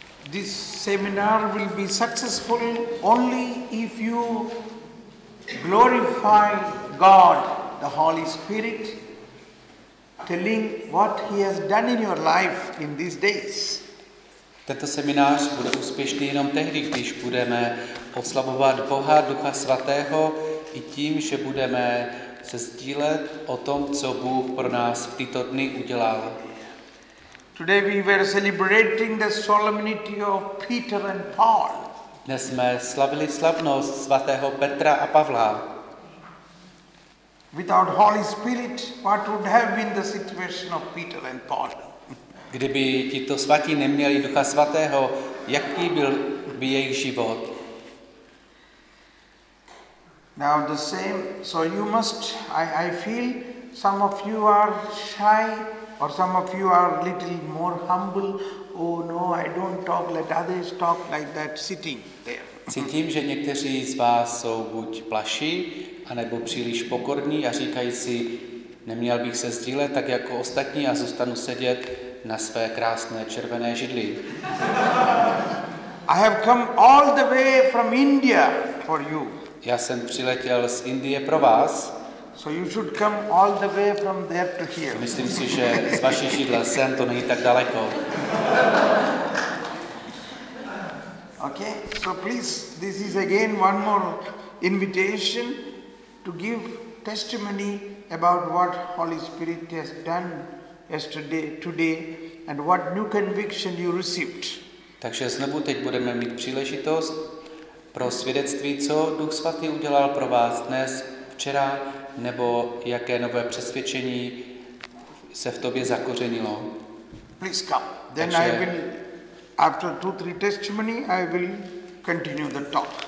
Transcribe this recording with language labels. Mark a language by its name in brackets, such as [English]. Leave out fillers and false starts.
[English] This seminar will be successful only if you glorify God, the Holy Spirit, telling what He has done in your life in these days. [Czech] Tento seminář bude úspěšný jenom tehdy, když budeme oslavovat Boha, Ducha Svatého, i tím, že budeme se sdílet o tom, co Bůh pro nás v tyto dny udělal. [English] Today we were celebrating the solemnity of Peter and Paul. [Czech] Dnes jsme slavili slavnost svatého Petra a Pavla. [English] Without Holy Spirit, what would have been the situation of Peter and Paul? [Czech] Kdyby tito svatí neměli Ducha Svatého, jaký byl by jejich život? [English] Now the same, so you must, I feel some of you are shy. Or some of you are little more humble. Oh no, I don't talk, let others talk like that sitting there. [Czech] Cítím, že někteří z vás jsou buď plaši, anebo příliš pokorní a říkají si, neměl bych se sdílet tak jako ostatní a zůstanu sedět na své krásné červené židli. [English] I have come all the way from India for you. [Czech] Já jsem přiletěl z Indie pro vás. [English] So you should come all the way from there to here. [Czech] Myslím si, že z vaší židle sem to není tak daleko. [English] Okay, so please, this is again one more invitation to give testimony about what Holy Spirit has done yesterday, today, and what new conviction you received. [Czech] Takže znovu teď budeme mít příležitost pro svědectví, co Duch Svatý udělal pro vás dnes, včera, nebo jaké nové přesvědčení se v tobě zakořenilo. [English] Please come. Then takže, I will after 2-3 testimony I will continue the talk.